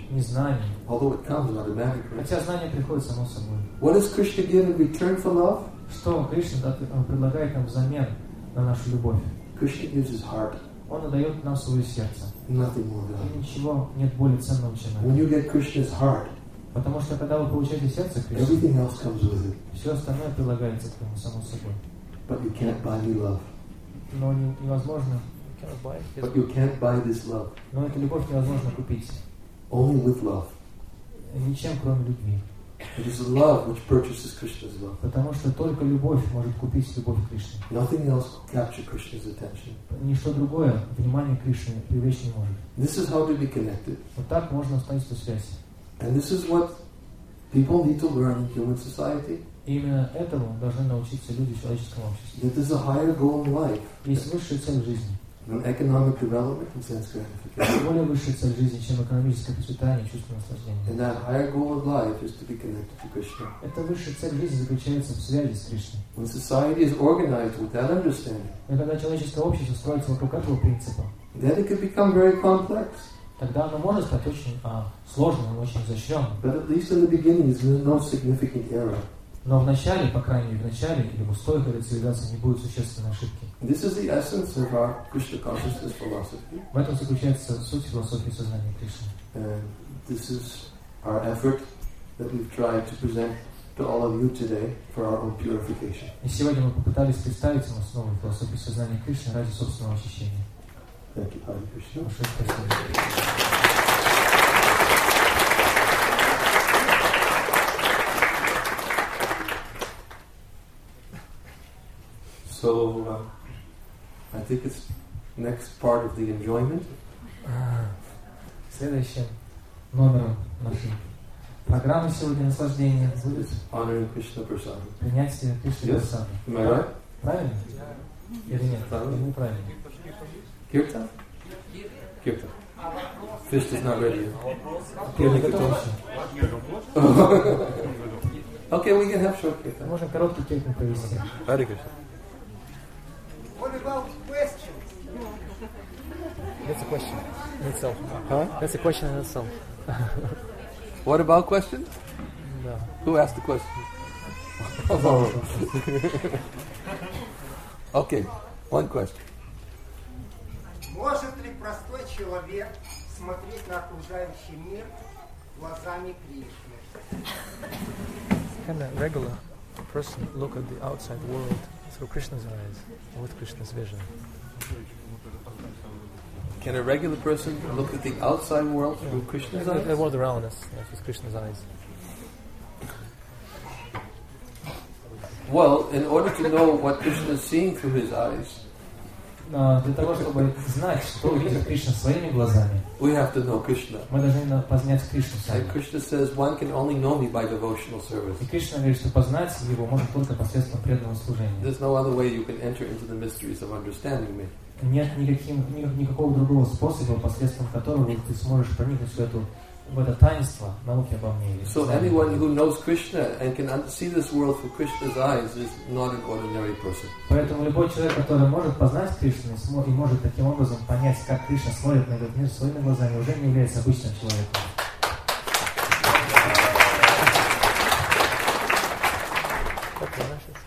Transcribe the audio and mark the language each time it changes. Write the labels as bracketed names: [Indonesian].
[Russian] незнание, [English] although it comes automatically. [Russian] Хотя знание приходит само собой. [English] What does Krishna give in return for love? [Russian] Что Кришна предлагает нам взамен на нашу любовь? [English] Krishna gives his heart. [Russian] Он отдает нам свое сердце. [English] Nothing more than that. [Russian] Ничего нет более ценного, чем это. [English] When you get Krishna's heart, [Russian] потому что когда вы получаете сердце Кришны, [English] everything else comes with it. [Russian] Все остальное прилагается к нему само собой. [English] But you can't buy me love. [Russian] Но невозможно. [English] But you can't buy this love. [Russian] Но эту любовь невозможно купить. [English] Only with love. [Russian] Ничем, кроме любви. [English] It is love which purchases Krishna's love. [Russian] Потому что только любовь может купить любовь Кришны. [English] Nothing else can capture Krishna's attention. [Russian] Ничто другое внимание Кришны привлечь не может. [English] This is how to be connected. [Russian] Вот так можно установить эту связь. [English] And this is what people need to learn in human society. [Russian] Именно этому должны научиться люди в человеческом обществе. [English] That is a higher goal in life. [Russian] Есть высшая цель в жизни. [English] than economic development and sense gratification. [Russian] Более высшая цель жизни, чем экономическое процветание, чувство наслаждения. [English] And that higher goal of life is to be connected to Krishna. [Russian] Это высшая цель жизни заключается в связи с Кришной. [English] When society is organized with that understanding, [Russian] когда человеческое общество строится вокруг этого принципа, [English] then it can become very complex. [Russian] Тогда оно может стать очень сложным, очень изощренным. [English] But at least in the beginning, there's no significant error. [Russian] Но в начале, по крайней мере, в начале или в устоях этой цивилизации не будет существенной ошибки. [English] This is the essence of our Krishna consciousness philosophy. [Russian] В этом заключается суть философии сознания Кришны. [English] This is our effort that we've tried to present to all of you today for our own purification. [Russian] И сегодня мы попытались представить вам основу философии сознания Кришны ради собственного очищения. [English] Thank you, Hare Krishna. [Russian] Большое спасибо. [English] So I think it's next part of the enjoyment. [Russian] Следующим номером нашей программы сегодня наслаждение. [English] It's honoring Krishna Prasada. [Russian] Принятие Кришны Прасады. [English] Am I right? [Russian] Правильно? Или нет? Правильно? Правильно. [English] Кирта? Кирта. Fist is not ready. [Russian] Кирта готовься. [English] Okay, we can have short Кирта. [Russian] Можно короткий Кирта провести. [English] Hare Krishna. What about questions? That's a question in itself. Huh? That's a question in itself. What about questions? No. Who asked the question? Okay, one question. [Russian] Может ли простой человек смотреть на окружающий мир глазами Кришны? [English] Can a regular person look at the outside world through Krishna's eyes, with Krishna's vision? Can a regular person look at the outside world through Krishna's eyes? The world around us, with Krishna's eyes. Well, in order to know what Krishna is seeing through his eyes, [Russian] для того, чтобы знать, что видит Кришна своими глазами, [English] we have to know Krishna. [Russian] Мы должны познать Кришну. [English] And Krishna says, one can only know me by devotional service. [Russian] И Кришна говорит, что познать его можно только посредством преданного служения. [English] There's no other way you can enter into the mysteries of understanding me. [Russian] Нет никакого другого способа, посредством которого ты сможешь проникнуть в это таинство науки обо мне. [English] So anyone who knows Krishna and can see this world through Krishna's eyes is not an ordinary person. [Russian] Поэтому любой человек, который может познать Кришну и может таким образом понять, как Кришна смотрит на этот мир своими глазами, уже не является обычным человеком.